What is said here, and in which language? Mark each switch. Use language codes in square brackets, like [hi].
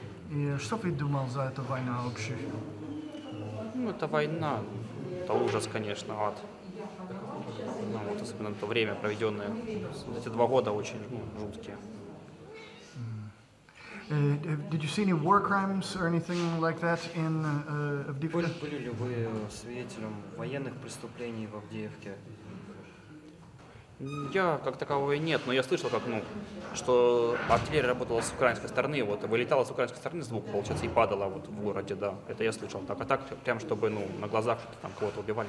[ru] И что вы думал за эту войну вообще? Ну, это война, это ужас, конечно, ад. Ну, вот особенно то время, проведенное, эти два года очень жуткие. [en] Did you see any war crimes or anything like that in Avdiivka? [ru] Были ли вы свидетелем военных преступлений в Авдеевке? Я как такового нет, но я слышал, как, ну, что артиллерия работала с украинской стороны, вот, вылетала с украинской стороны звук, получается, и падала вот в городе, да. Это я слышал. Так, а так прям чтобы, ну, на глазах что-то там кого-то убивали.